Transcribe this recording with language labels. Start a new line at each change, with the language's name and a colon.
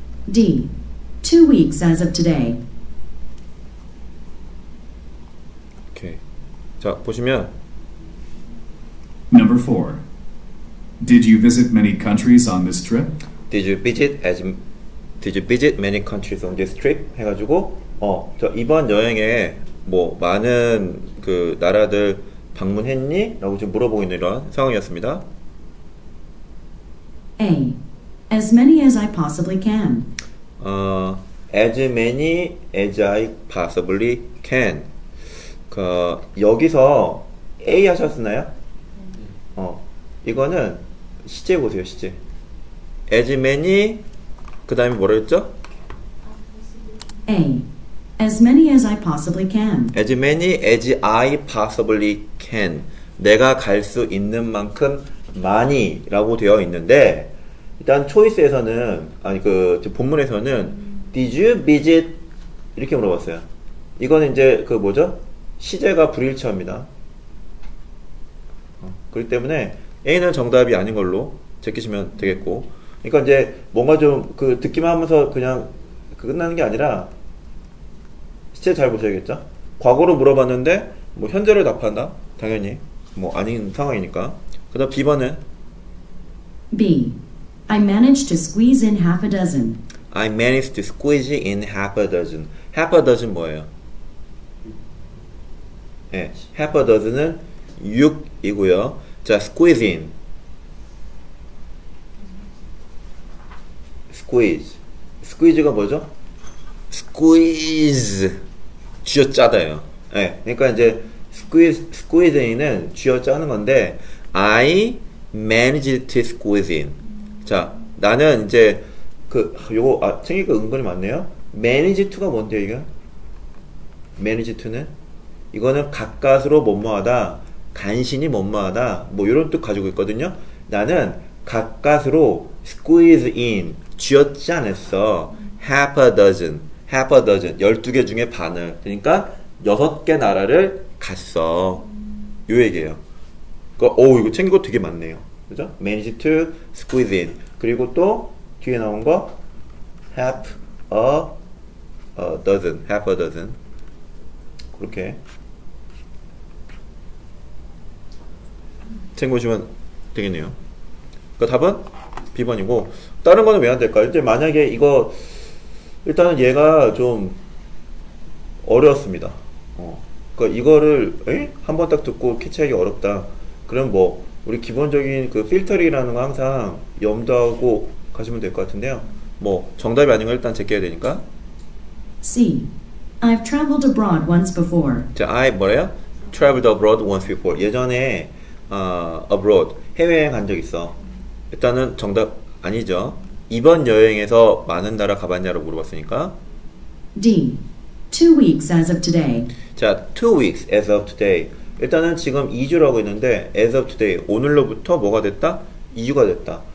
English: D. 2 weeks as of today.
Korean: 오케이. 자, 보시면
English: Number 4. Did you visit many countries on this trip? Did you visit many countries on this trip?
Korean: 해가지고 저 이번 여행에 뭐 많은 그 나라들 방문했니? 라고 지금 물어보고 있는 이런 상황이었습니다.
English: A. As many as I possibly can. As many as I possibly can.
Korean: 그 여기서 A 하셨나요? 이거는 시제 보세요, 시제. As many, 그 다음에 뭐라고 했죠?
English: A. As many as I possibly can. As many as I possibly can.
Korean: 내가 갈 수 있는 만큼 많이 라고 되어 있는데, 일단 초이스에서는, 아니 그 본문에서는
English: Did you visit?
Korean: 이렇게 물어봤어요. 이거는 이제 그 뭐죠? 시제가 불일치합니다. 그렇기 때문에 A는 정답이 아닌 걸로 제끼시면 되겠고, 그러니까 이제 뭔가 좀 그 듣기만 하면서 그냥 끝나는 게 아니라 시제 잘 보셔야겠죠? 과거로 물어봤는데 뭐 현재를 답한다? 당연히 뭐 아닌 상황이니까. 그 다음 B번은?
English: B. I managed to squeeze in half a dozen. I managed to squeeze in half a dozen. Half a dozen
Korean: 뭐예요? 네, half a dozen은 6이고요. 자, squeeze in. Squeeze. Squeeze가 뭐죠? Squeeze. 쥐어 짜다요. 예. 네, 그러니까 이제 squeeze in은 쥐어 짜는 건데,
English: I managed to squeeze in.
Korean: 자, 나는 이제 그 요거 아 챙기기가 은근히 많네요. Manage to가 뭔데 이게? Manage to는 이거는 가까스로 뭐뭐하다, 간신히 뭐뭐하다, 뭐 이런 뜻 가지고 있거든요. 나는 가까스로 squeeze in 쥐었지 않았어. Half a dozen, half a dozen 12개 중에 반을, 그러니까 6개 나라를 갔어. 요 얘기예요. 그러니까 오 이거 챙긴 거 되게 많네요.
English: 그죠? Manage to squeeze in.
Korean: 그리고 또 뒤에 나온 거
English: half a dozen, half a dozen.
Korean: 그렇게 챙겨주시면 되겠네요. 그 답은 B번이고, 다른 거는 왜 안 될까요? 이제 만약에 이거 일단은 얘가 좀 어려웠습니다. 그러니까 이거를 한번 딱 듣고 캐치하기 어렵다. 그럼 뭐 우리 기본적인 그 필터링이라는 거 항상 염두하고 가시면 될 것 같은데요. 뭐 정답이 아닌 거 일단 제껴야 되니까.
English: C. I've traveled abroad once before.
Korean: 자, I 뭐래요?
English: Traveled abroad once before.
Korean: 예전에 abroad 해외여행 간 적 있어. 일단은 정답 아니죠. 이번 여행에서 많은 나라 가봤냐라고 물어봤으니까.
English: D. 2 weeks as of today. 자, 2 weeks as of today.
Korean: 일단은 지금 2주라고 했는데
English: as of today
Korean: 오늘로부터 뭐가 됐다? 2주가 됐다.